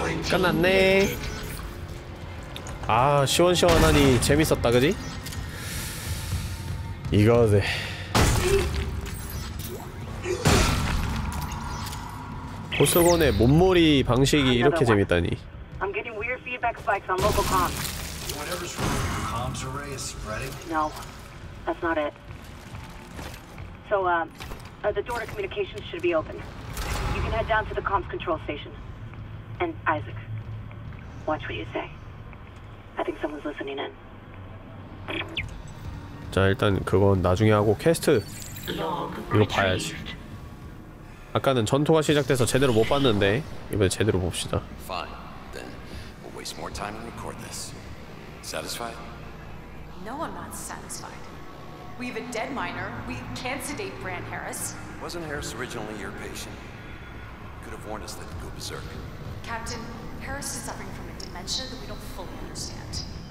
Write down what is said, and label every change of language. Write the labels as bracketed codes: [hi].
[ko] 끝났네. 아, 시원시원하니 재밌었다, 그지? 이거지. 보스건의 몸몰이 방식이 이렇게 재밌다니. [en] I'm getting weird feedback spikes on local comms. Whatever's wrong with the comms array is spreading. No, that's not it. So, the door to communications should be open. You can head down to the comms control station. And Isaac, watch what you say. I think someone's listening in. [ko] 자, 일단 그건 나중에 하고 퀘스트 이거 봐야지. 아까는 전투가 시작돼서 제대로 못 봤는데 이번에 제대로 봅시다. [en] Fine. Then we'll waste more time and record this. Satisfied? No, I'm not satisfied. We have a dead miner. We can't sedate Brand Harris. Wasn't Harris originally your patient? Could have warned us that he'd go berserk. Captain, Harris is suffering from a dementia that we don't fully understand.